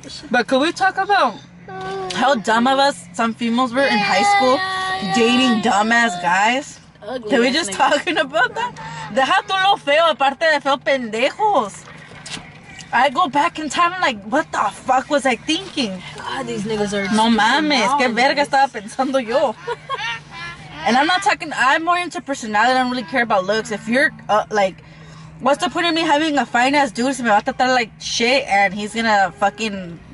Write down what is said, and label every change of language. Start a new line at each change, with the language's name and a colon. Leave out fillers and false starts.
English: But could we talk about how dumb of us some females were in high school dating dumbass guys? Ugly. Can we just talking about that?
Spanish: Deja todo lo feo, aparte de feo pendejos.
English: I go back in time, I'm like, what the fuck was I thinking? God, these niggas are...
Spanish: No mames, qué verga estaba pensando yo.
English: And I'm not talking... I'm more into personality. I don't really care about looks. If you're, like... What's the point of me having a fine-ass dude
Spanish: si me va a tratar
English: like shit and he's gonna fucking...